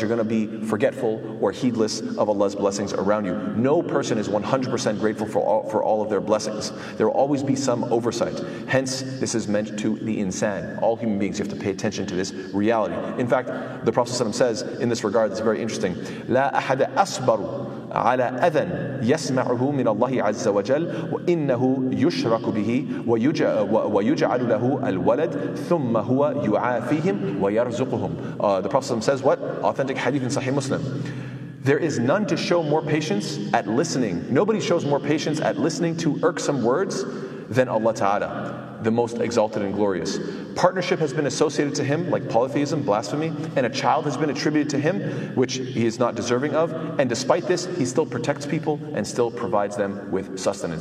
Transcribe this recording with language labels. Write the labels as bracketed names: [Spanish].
[English] You're going to be forgetful or heedless of Allah's blessings around you. No person is 100% grateful for all of their blessings. There will always be some oversight. Hence, this is meant to the insan. All human beings, you have to pay attention to this reality. In fact, the Prophet ﷺ says in this regard, it's very interesting. [Arabic] لا أحد أصبر على أذى يسمعه من الله عز وجل وإنه يشرك به ويجعل له الولد ثم هو يعافيهم ويرزقهم. [English] The Prophet says what? Authentic hadith in Sahih Muslim. There is none to show more patience at listening. Nobody shows more patience at listening to irksome words than Allah Ta'ala, the most exalted and glorious. Partnership has been associated to him, like polytheism, blasphemy, and a child has been attributed to him, which he is not deserving of. And despite this, he still protects people and still provides them with sustenance.